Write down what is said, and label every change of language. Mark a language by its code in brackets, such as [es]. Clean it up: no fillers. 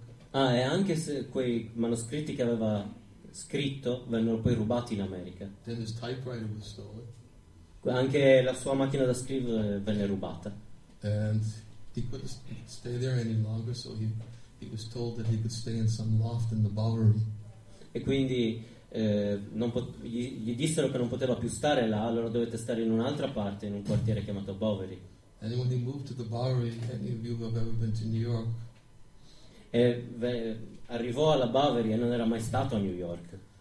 [it] Ah, e anche se quei manoscritti che aveva scritto vennero poi rubati in America. [en] Then his typewriter was stolen. [it] Anche la sua macchina da scrivere venne rubata. [en] And he couldn't stay there any longer, so he was told that he could stay in some loft in the Bowery. [it] E quindi gli dissero che non poteva più stare là, allora dovette stare in un'altra parte, in un quartiere chiamato Bowery. [en] And when he moved to the Bowery, any of you who have ever been to New York? [it] E arrivò alla Bowery e non era mai stato a New York.